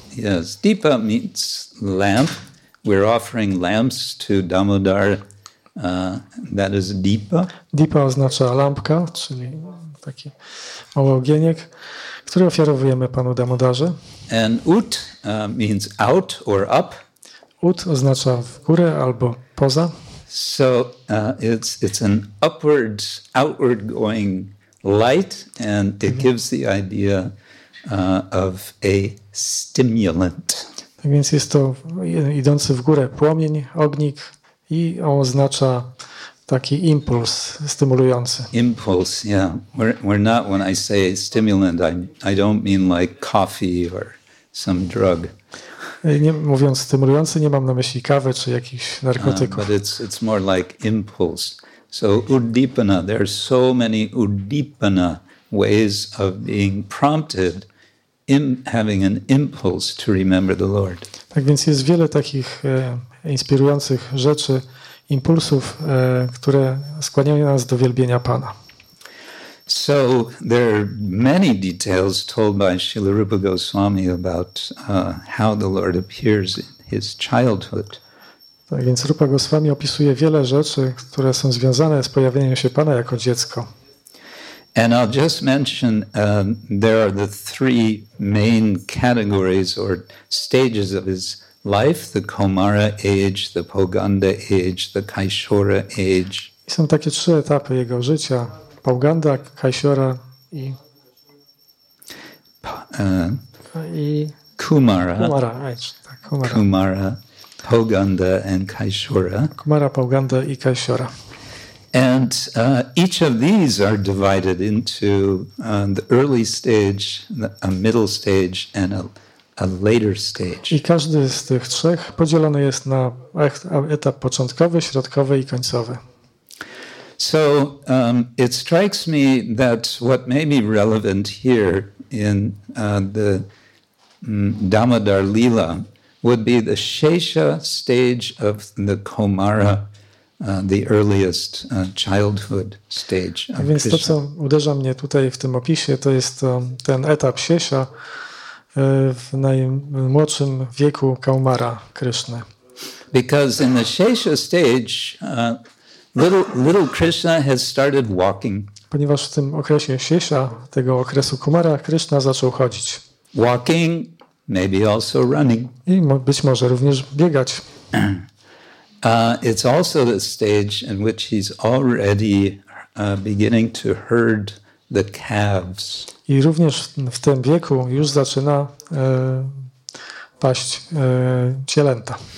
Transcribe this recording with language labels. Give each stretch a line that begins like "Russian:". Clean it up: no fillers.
English: Yes, dipa means lamp. We're offering lamps to Damodar. That is dipa.
Polish: Dipa oznacza lampka, czyli taki mały ogieniek, który ofiarowujemy Panu Damodarze.
English: And ut means out or up.
Polish: Ut oznacza w górę albo poza.
English: So it's an upward, outward going light, and it gives the idea of a stimulant.
Polish: Tak więc jest to idący w górę płomień, ognik, i on oznacza taki impuls stymulujący. Impuls, yeah.
English: We're not, when I say stimulant, I don't mean like coffee or some drug.
Polish: Nie, mówiąc stymulujący, nie mam na myśli kawy czy jakichś narkotyków.
English: But it's more like impulse. So uddipana, there are so many uddipana ways of being prompted, having an impulse to remember the Lord.
Polish: Tak więc jest wiele takich inspirujących rzeczy, impulsów, które skłaniają nas do wielbienia Pana.
English: So there are many details told by Srila Rupa Goswami about how the Lord appears in his childhood.
Polish: Tak więc Rupa Goswami opisuje wiele rzeczy, które są związane z pojawieniem się Pana jako dziecko.
English: And I'll just mention there are the three main categories or stages of his life: the Kaumara age, the Pauganda age, the Kaishora age.
Polish: I są takie trzy etapy jego życia. Pauganda, Kaishora i Kumara. Kumara, tak, Kumara.
English: Kumara, Pauganda and Kaishora.
Polish: Kumara, Pauganda i Kaishora.
English: And each of these are divided into the early stage, a middle stage and a later stage.
Polish: I każdy z tych trzech podzielony jest na etap początkowy, środkowy i końcowy.
English: So it strikes me that what may be relevant here in the Damodar Lila would be the Shesha stage of the Kaumara, the earliest childhood stage.
Polish: A więc to, co uderza mnie tutaj w tym opisie, to jest ten etap Shesha w najmłodszym wieku Kaumara Kryszny.
English: Because in the Shesha stage, Little Krishna has started walking.
Polish: Ponieważ w tym okresie Shesha, tego okresu Kumara, Krishna zaczął chodzić.
English: Walking, maybe also running.
Polish: I być może również biegać.
English: It's also the stage in which he's already beginning to herd the calves.
Polish: I również w tym wieku już zaczyna paść cielęta.